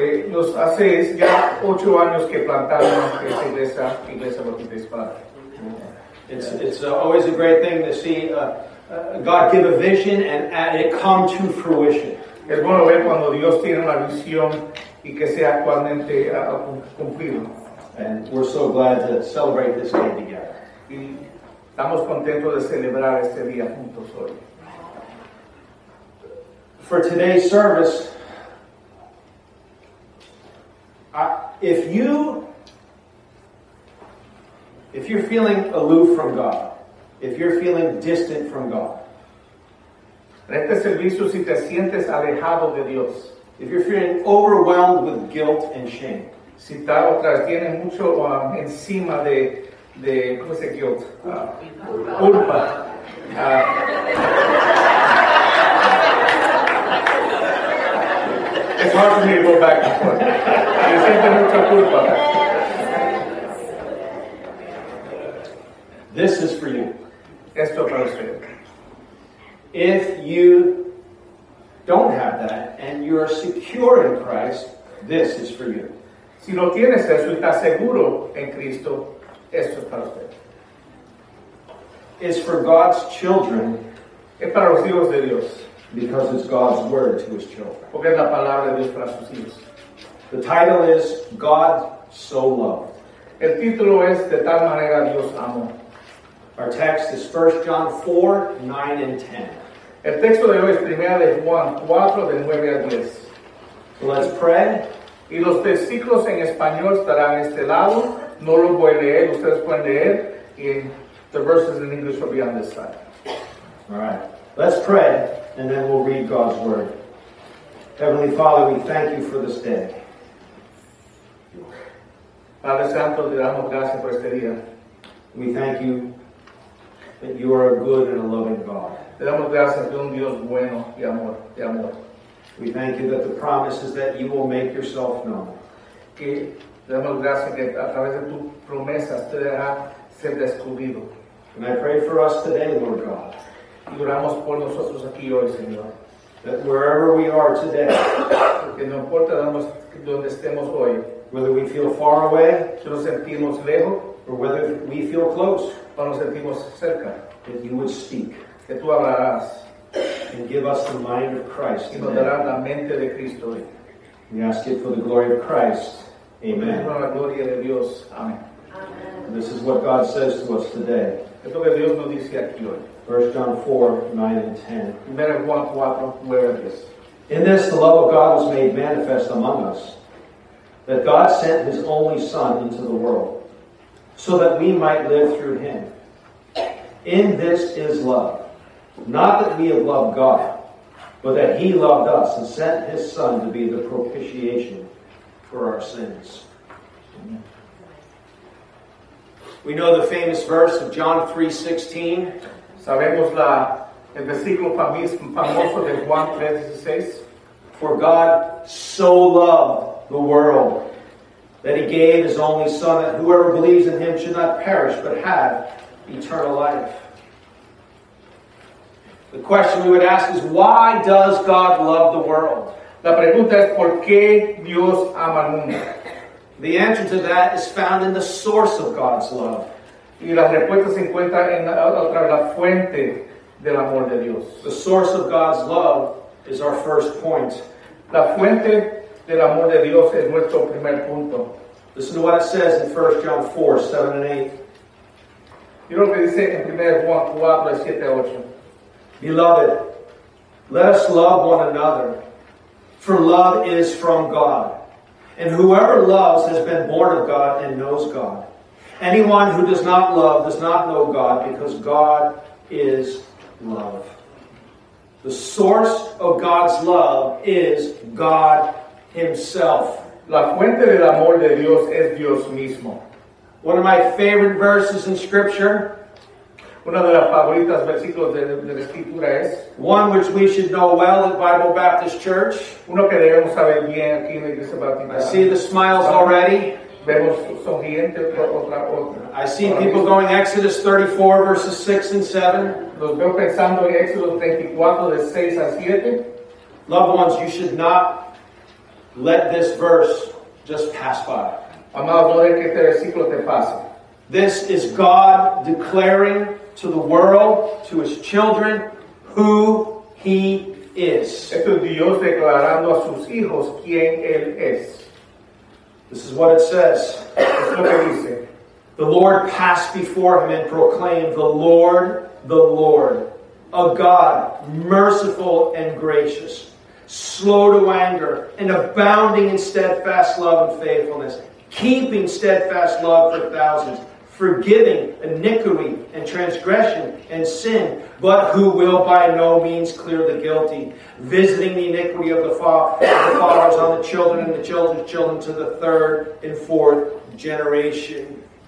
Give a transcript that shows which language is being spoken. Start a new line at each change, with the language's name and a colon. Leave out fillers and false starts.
Spanish: Nos hace ya 8 años que plantamos esta iglesia, Iglesia Bautista Hispana.
English: It's always a great thing to see God give a vision and it come to fruition.
Spanish: Es bueno ver cuando Dios tiene una visión y que sea actualmente cumplido.
English: And we're so glad to celebrate this day together.
Spanish: Y estamos contentos de celebrar este día juntos hoy.
English: For today's service, if you're feeling aloof from God, if you're feeling distant from God,
Spanish: en este servicio, si te sientes alejado de Dios,
English: if you're feeling overwhelmed with guilt and shame,
Spanish: si tal otra vez tienes mucho encima de ¿cómo se dice guilt? Culpa.
English: It's hard for me to go back and forth. This is for you.
Spanish: Esto para usted.
English: If you don't have that and you are secure in Christ, this is for you.
Spanish: Si no tienes eso y estás seguro en Cristo, esto es para usted.
English: It's for God's children.
Spanish: Es para los hijos de Dios.
English: Because it's God's word to his children.
Spanish: Porque es la palabra de Dios para sus hijos.
English: The title is God So Loved.
Spanish: El título es De tal manera Dios amó.
English: Our text is 1 John 4, 9 and 10.
Spanish: El texto de hoy es Primera de Juan 4, de 9 a 10.
English: So let's pray.
Spanish: Y los versículos en español estarán a este lado. No los voy a leer, ustedes pueden leer.
English: And the verses in English will be on this side. All right. Let's pray, and then we'll read God's word. Heavenly Father, we thank you for this day.
Spanish: Padre Santo, te damos gracias por este día.
English: We thank you that you are a good and a loving God.
Spanish: Te damos gracias de un Dios bueno y amor, de amor.
English: We thank you that the promise is that you will make yourself known.
Spanish: Que te damos gracias que a través de tus promesas te dejará ser descubierto.
English: And I pray for us today, Lord God.
Spanish: Y oramos por nosotros aquí hoy, Señor.
English: That wherever we are today,
Spanish: que no importa donde estemos hoy,
English: whether we feel far away,
Spanish: si nos sentimos lejos,
English: or whether we feel close,
Spanish: o nos sentimos cerca,
English: that you would speak,
Spanish: que tú hablarás,
English: and give us the mind of Christ.
Spanish: Y nos dará la mente de Cristo hoy.
English: We ask it for the glory of Christ. Amen.
Spanish: Por la gloria de Dios. Amen.
English: And this is what God says to us today.
Spanish: Esto que Dios nos dice aquí hoy.
English: 1 John 4, 9 and 10.
Spanish: Primera Juan 4, 9 and 10.
English: In this, the love of God was made manifest among us, that God sent his only Son into the world, so that we might live through him. In this is love, not that we have loved God, but that he loved us and sent his Son to be the propitiation for our sins. Amen. We know the famous verse of John 3:16.
Spanish: Sabemos el versículo famoso de Juan 3:16.
English: For God so loved the world that he gave his only Son, that whoever believes in him should not perish but have eternal life. The question we would ask is, why does God love the world?
Spanish: La pregunta es, ¿por qué Dios ama al mundo?
English: The answer to that is found in the source of God's love.
Spanish: Y la respuesta se encuentra en la fuente del amor de Dios.
English: The source of God's love is our first point.
Spanish: La fuente del amor de Dios es nuestro primer punto.
English: Listen to what it says in 1 John 4, 7 and 8. You know what it says in 1 John 4, 7 and 8. Beloved, let us love one another, for love is from God. And whoever loves has been born of God and knows God. Anyone who does not love does not know God, because God is love. The source of God's love is God himself.
Spanish: La fuente del amor de Dios es Dios mismo.
English: One of my favorite verses in Scripture.
Spanish: Una de las favoritas versículos de la escritura es
English: one which we should know well at Bible Baptist Church.
Spanish: Uno que debemos saber bien aquí en la Iglesia Baptista.
English: I see the smiles already.
Spanish: Vemos sonriente otra.
English: I see people going Exodus 34 verses 6 and 7.
Spanish: Los veo pensando en Éxodo 34 de 6 a 7.
English: Loved ones, you should not let this verse just pass by.
Spanish: Amado, no dejes que este versículo te pase.
English: This is God declaring to the world, to his children, who he is.
Spanish: Esto es Dios declarando a sus hijos quién él es.
English: This is what it says.
Spanish: Es lo que dice.
English: The Lord passed before him and proclaimed, the Lord, a God merciful and gracious, slow to anger and abounding in steadfast love and faithfulness, keeping steadfast love for thousands, forgiving iniquity and transgression and sin, but who will by no means clear the guilty, visiting the iniquity of the fathers on the children and the children's children to the third and fourth generation.